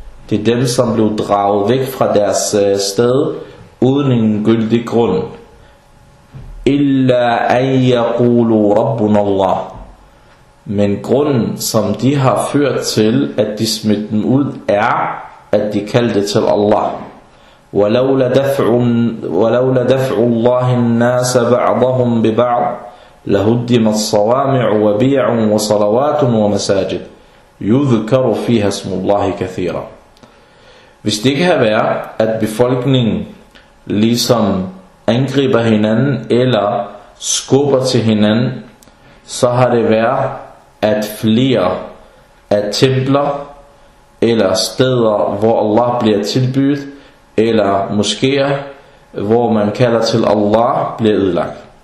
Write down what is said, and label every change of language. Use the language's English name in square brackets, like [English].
[Danish] Det er dem, som blev draget væk fra deres sted uden en gyldig grund. [Arabic] illa an yaqulu rabbuna Allah. [Danish] Men grunden, som de har ført til, at de smidte dem ud, er, at de kaldte til Allah. [Arabic] ولولا دفع الله الناس بعضهم ببعض لهدمت الصوامع وبيع وصلوات ومساجد يذكر فيها اسم الله كثيرا. [Danish] Hvis det ikke havde været, at befolkningen ligesom angriber hinanden eller skubber til hinanden, så har det været, at flere af templer eller steder, hvor Allah bliver tilbydt, eller moskéer, hvor man kalder til Allah, bliver ødelagt.